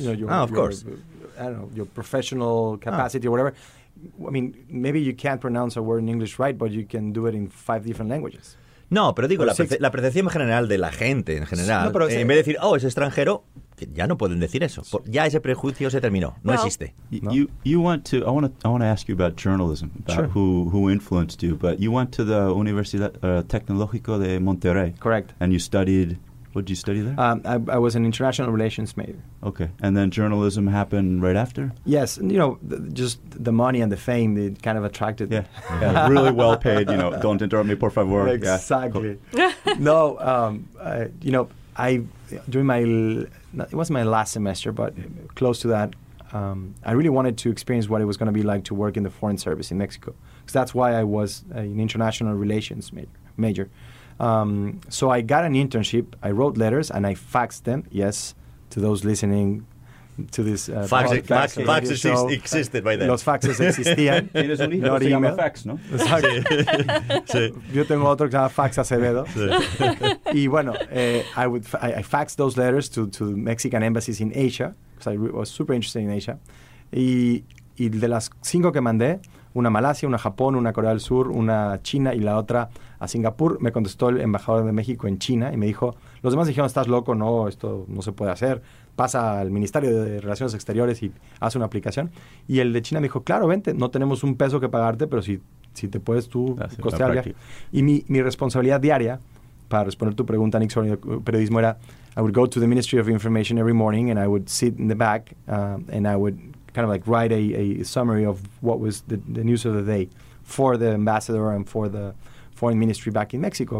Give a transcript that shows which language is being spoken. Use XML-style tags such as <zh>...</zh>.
<en>Your professional capacity or whatever. I mean, maybe you can't pronounce a word in English right, but you can do it in five different languages.</en> <es>No, pero digo, la percepción general de la gente en general, en vez de decir, es extranjero, ya no pueden decir eso. Ya ese prejuicio se terminó. No existe.</es> <en>I want to ask you about journalism, about who influenced you. But you went to the Universidad Tecnológico de Monterrey. Correct. And you studied, what did you study there? I was an international relations major. Okay. And then journalism happened right after? Yes. You know, just the money and the fame, it kind of attracted. Yeah. Yeah. Really well paid, you know, don't interrupt me,</en> <es>por favor.</es> <en>Exactly. Yeah. No, it was my last semester, but close to that, I really wanted to experience what it was going to be like to work in the Foreign Service in Mexico. Because that's why I was an international relations major. So I got an internship. I wrote letters and I faxed them. Yes, to those listening to this faxes existed by then.</en> <es>Los faxes existían. Tienes un hijo que se llama fax, ¿no? Exacto. Sí. Yo tengo otro que se llama Fax Acevedo. Sí. Y bueno,</es> <en>I faxed those letters to Mexican embassies in Asia because I was super interested in Asia.</en> <es>Y de las cinco que mandé, una Malasia, una Japón, una Corea del Sur, una China y la otra a Singapur, me contestó el embajador de México en China y me dijo, los demás dijeron, estás loco, no, esto no se puede hacer, pasa al Ministerio de Relaciones Exteriores y haz una aplicación. Y el de China me dijo, claro, vente, no tenemos un peso que pagarte, pero si te puedes tú costear. Y mi responsabilidad diaria, para responder tu pregunta, Nixon, de periodismo, era,</es> <en>I would go to the Ministry of Information every morning and I would sit in the back and I would kind of like write a summary of what was the news of the day for the ambassador and for the foreign ministry back in Mexico.</en>